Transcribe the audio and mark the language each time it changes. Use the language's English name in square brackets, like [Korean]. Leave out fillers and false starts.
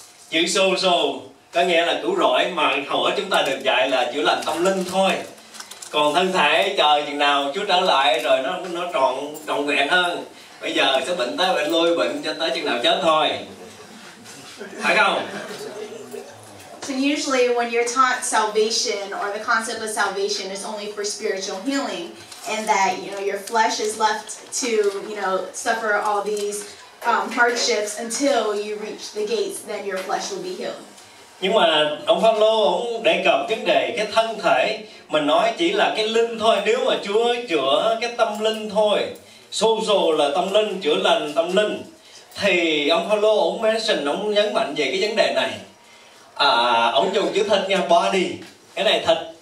[Vietnamese] Chữ so so có nghĩa là cứu rỗi, mà hầu hết chúng ta được dạy là chữa lành tâm linh thôi. Còn thân thể chờ chừng nào Chúa trở lại rồi nó tròn tròn vẹn hơn. Bây giờ sẽ bệnh tới bệnh lui, bệnh cho tới chừng nào chết thôi. Phải không? [English] So usually when you're taught salvation or the concept of salvation is only for spiritual healing, and that, you know, your flesh is left to, you know, suffer all these hardships until you reach the gates, then your flesh will be healed. [Vietnamese] Nhưng mà ông Phaolô cũng đề cập vấn đề cái thân thể, mình nói chỉ là cái linh thôi, nếu mà Chúa chữa cái tâm linh thôi, sozo là tâm linh, chữa lành tâm linh, thì ông Phaolô cũng ông nhấn mạnh về cái vấn đề này. À, ông dùng chữ thịt nha, body. Cái này thịt.